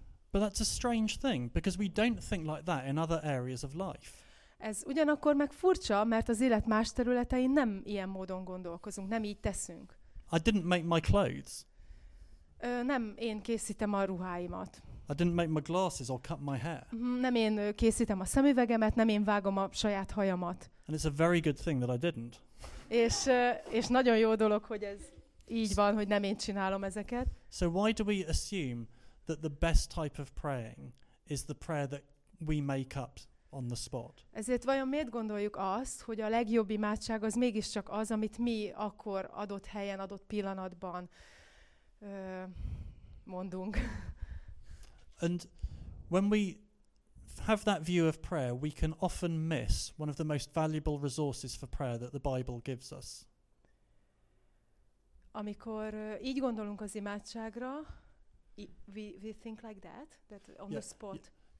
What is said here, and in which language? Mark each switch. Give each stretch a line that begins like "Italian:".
English: But that's a strange thing, because we don't think like that in other areas of life.
Hungarian: Ez ugyanakkor meg furcsa, mert az élet más területein nem ilyen módon gondolkozunk, nem így teszünk.
English: I didn't make my clothes.
Hungarian: Nem én készítem a ruháimat.
English: I didn't make my glasses or cut my hair.
Hungarian: Nem én készítem a szemüvegemet, nem én vágom a saját hajamat.
English: And it's a very good thing that I didn't.
Hungarian: És nagyon jó dolog, hogy ez így van, hogy nem én csinálom ezeket.
English: So why do we assume that the best type of praying is the prayer that we make up on the spot?
Hungarian: Ezért vajon miért gondoljuk azt, hogy a legjobb imádság az mégiscsak az, amit mi akkor adott helyen, adott pillanatban mondunk?
English: And when we have that view of prayer, we can often miss one of the most valuable resources for prayer that the Bible gives us.
Hungarian: Amikor így gondolunk az imádságra,
English: we think like that on the spot.